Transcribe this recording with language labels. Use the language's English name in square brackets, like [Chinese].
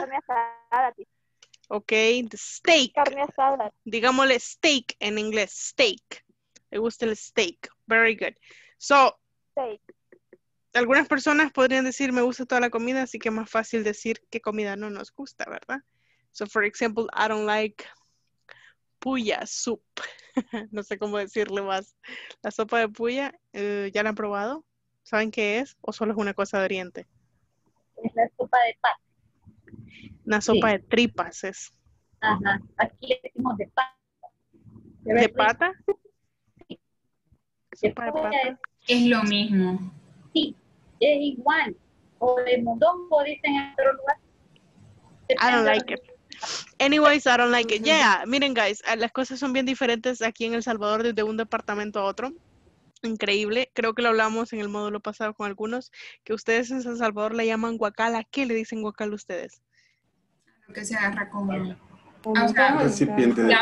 [Spanish] Carne asada. [English] Okay. The steak. [Spanish] Carne asada. Digámosle steak en inglés. Steak. Me gusta el steak. [English] Very good. So, steak. [Spanish] Algunas personas podrían decir, me gusta toda la comida, así que es más fácil decir qué comida no nos gusta, ¿verdad? [English] So, for example, I don't like puya soup. [Spanish] No sé cómo decirle más. La sopa de puya, ¿ya la han probado? ¿Saben qué es? ¿O solo es una cosa de oriente? Es la sopa de pata. Una sopa de tripas es. Ajá, aquí le decimos de pata. ¿De pata? Sopa de pata. Es lo mismo. Sí, es igual. O de mondongo, dicen en otro lugar. Depende. [English] I don't like it. Anyways, I don't like it. [Spanish] Yeah, miren, guys, las cosas son bien diferentes aquí en El Salvador desde un departamento a otro. Increíble. Creo que lo hablamos en el módulo pasado con algunos, que ustedes en San Salvador le llaman guacal. ¿A qué le dicen guacal a ustedes? Lo que se agarra con recipiente de